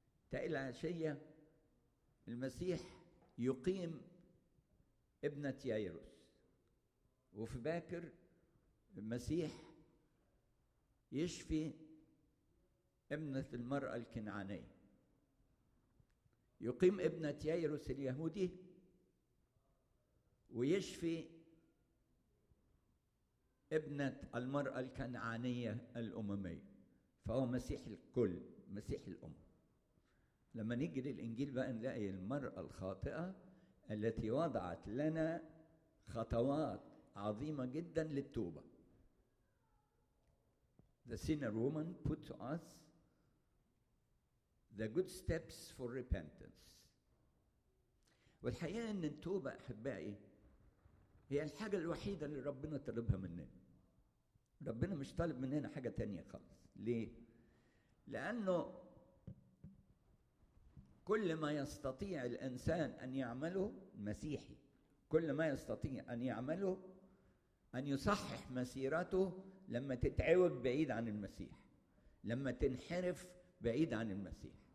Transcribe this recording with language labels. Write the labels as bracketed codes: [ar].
[ar] تقل العشية المسيح يقيم ابنة يايروس، وفي باكر المسيح يشفي ابنة المرأة الكنعانية، يقيم ابنة يايروس اليهودي ويشفي ابنة المرأة الكنعانية الأممية. فهو مسيح الكل، مسيح الأم. لما نيجي للإنجيل بقى نلاقي المرأة الخاطئة التي وضعت لنا خطوات عظيمة جدا للتوبة. [en] The sinner woman put to us the good steps for repentance. [ar] والحقيقة أن التوبة أحبائي هي الحاجة الوحيدة اللي ربنا طلبها مننا. ربنا مش طالب مننا حاجة تانية خالص. ليه؟ لأنه كل ما يستطيع الإنسان أن يعمله مسيحي، كل ما يستطيع أن يعمله أن يصحح مسيرته لما تتعوج بعيد عن المسيح، لما تنحرف بعيد عن المسيح.